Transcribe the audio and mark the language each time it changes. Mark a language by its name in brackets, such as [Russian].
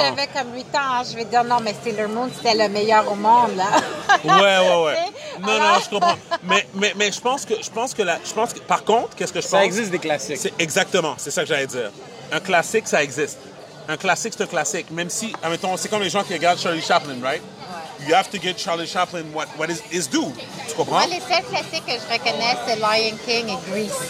[French] J'avais comme 8 ans, je vais dire non, mais Sailor Moon, c'était le meilleur au monde, là. Ouais. Non, alors... non, je comprends. Mais je pense que par contre, qu'est-ce que je pense? Ça existe des classiques. C'est ça que j'allais dire. Un classique, ça existe. Un classique, c'est un classique. Même si, admettons, c'est comme les gens qui regardent Charlie Chaplin, right? [English] Ouais. You have to get Charlie Chaplin what is due. [French] Tu comprends? Moi, les seuls classiques que je reconnais, c'est Lion King et Grease.